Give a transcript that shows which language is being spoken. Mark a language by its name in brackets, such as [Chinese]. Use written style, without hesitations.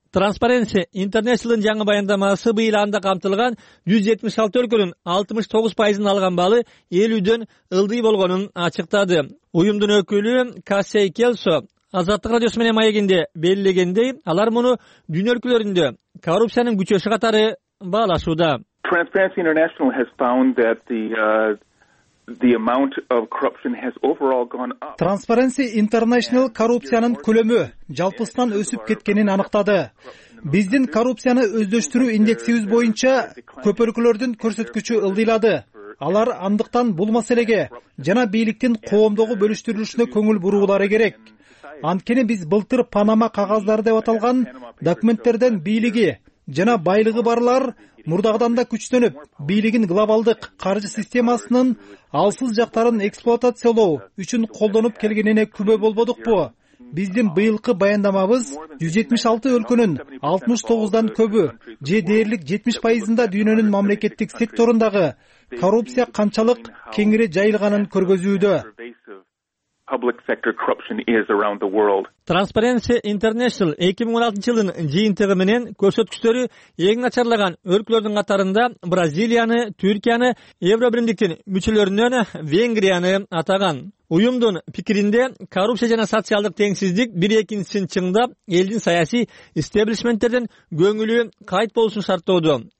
[Kyrgyz] Transparency International'ın жаңы баяндамасы быйыл анда камтылган 176 өлкөнүн 69% алган балы 50%'den ылдый болгонун ачыктады. Уюмдун өкүлү Кассей Келсо Азаттык радиосу менен маегинде белгилегендей, алар муну дүйнө өлкөлөрүндө коррупциянын күчөшү катары баалашууда. [English] Transparency International has found that the amount of corruption has overall gone up. [Kyrgyz] Transparency International коррупциянын көлөмү жалпысынан өсүп кеткенин аныктады. Биздин коррупцияны өздөштүрүү индексибиз боюнча көп өлкөлөрдүн көрсөткүчү ылдыйлады. Алар андыктан бул маселеге жана бийликтин коомдогу бөлүштүрүлүшүнө көңүл бурулары керек. Анткени биз былтыр Панама кагаздары деп аталган документтерден бийлиги жана байлыгы барлар мурдагыдан да күчтөнүп, бийлигин глобалдык каржы системасынын алсыз жактарын эксплуатациялоо үчүн колдонуп келгенине күбө болбодукпу? Биздин быйылкы баяндамабыз 176 өлкөнүн 69%'дан көбү же дээрлик 70%'ында дүйнөнүн мамлекеттик секторундагы коррупция канчалык кеңири жайылганын көргөзүүдө. [English] Public sector corruption is around the world. [Kyrgyz] Transparency International 2016 жылдын жыйынтыгы менен көрсөткүчтөрү эң начарлаган өлкөлөрдүн катарында Бразилияны, Түркияны, Евробиримдиктин мүчөлөрүнөн Венгрияны атаган. Уюмдун пикиринде коррупция жана социалдык теңсиздик бири экинчисин чыңдап, элдин саясий истеблишменттерден көңүлү кайт болушун шарттоодо.